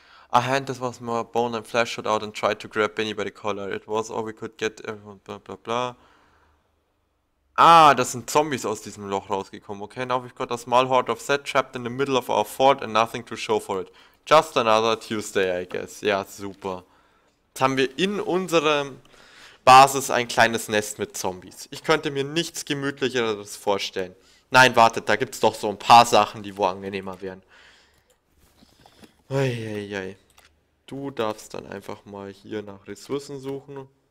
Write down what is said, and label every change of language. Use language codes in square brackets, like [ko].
[en] A hand that was more bone and flesh shot out and tried to grab Benny by the collar. It was all we could get everyone, bla bla bla. [de] Ah, das sind Zombies aus diesem Loch rausgekommen. [en] Okay, now we've got a small horde of Zed trapped in the middle of our fort and nothing to show for it. Just another Tuesday, I guess. [de] Ja, super. Jetzt haben wir in unserer Basis ein kleines Nest mit Zombies. Ich könnte mir nichts Gemütlicheres vorstellen. Nein, wartet, da gibt's doch so ein paar Sachen, die wo angenehmer wären. Eieiei. Du darfst dann einfach mal hier nach Ressourcen suchen.